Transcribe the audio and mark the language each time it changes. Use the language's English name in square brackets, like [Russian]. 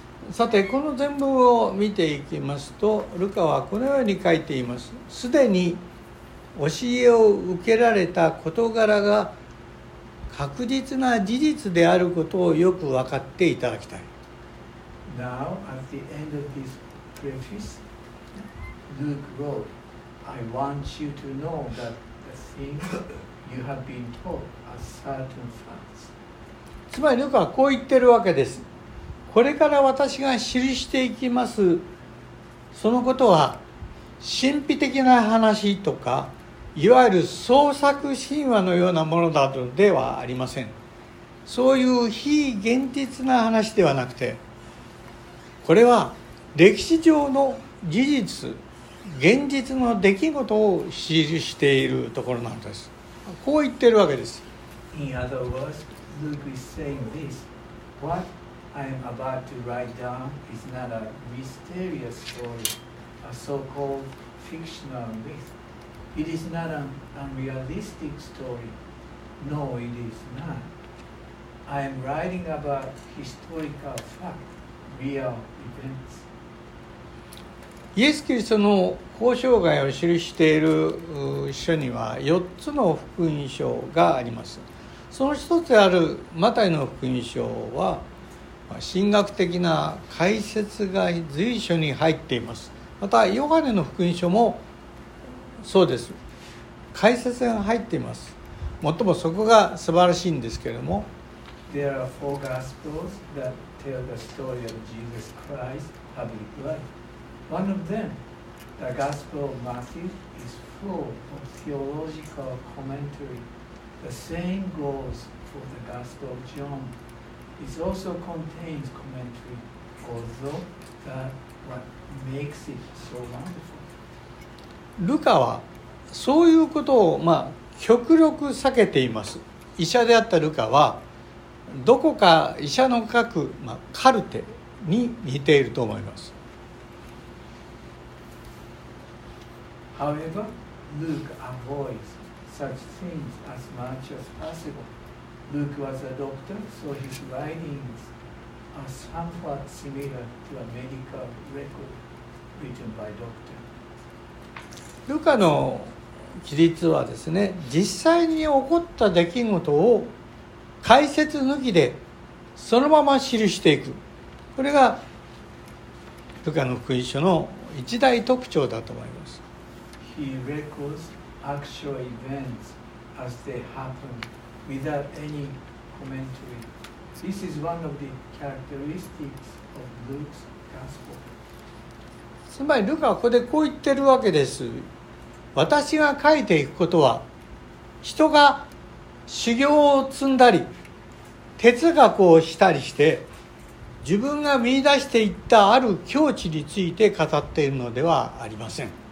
[Japanese] さて、この全文を見ていきますと、ルカはこのように書いています。すでに教えを受けられた事柄が確実な事実であることをよく分かっていただきたい。 [English] Now at the end of this preface, Luke wrote, I want you to know that the things you have been taught are certain facts. [Japanese] つまりルカはこう言ってるわけです。これから私が記していきます。そのことは神秘的な話とか、いわゆる創作神話のようなものだとではありません。そういう非現実な話ではなくて、これは歴史上の事実、現実の出来事を記しているところなんです。こう言ってるわけです。 [English] In other words,Luke is saying this. What I am about to write down is not a mysterious story, a so-called fictional myth. It is not an unrealistic story. No, it is not. I am writing about historical fact, real events. [Japanese] イエス・キリストの公生涯を記している書には4つの福音書があります。その一つであるマタイの福音書は神学的な解説が随所に入っています。またヨハネの福音書もそうです。解説が入っています。もっともそこが素晴らしいんですけれども、 [English] There are four gospels that tell the story of Jesus Christ's public life. One of them, the Gospel of Matthew, is full of theological commentary. The same goes for the Gospel of John. It also contains commentary, although that what makes it so wonderful. [Japanese] ルカはそういうことを、まあ、極力避けています。医者であったルカはどこか医者の書く、まあ、カルテに似ていると思います。 [English] However, Luke avoids such things as much as possible. Luke was a doctor, so his writings are somewhat similar to a medical record written by doctor. [Japanese] ルカの記述はですね、実際に起こった出来事を解説抜きでそのまま記していく、これがルカの福音書の一大特徴だと思います。 [English] He records actual events as they happen without any commentary. This is one of the characteristics of Luke's gospel. [Japanese] つまりルカはここでこう言ってるわけです。私が書いていくことは人が修行を積んだり哲学をしたりして自分が見出していったある境地について語っているのではありません。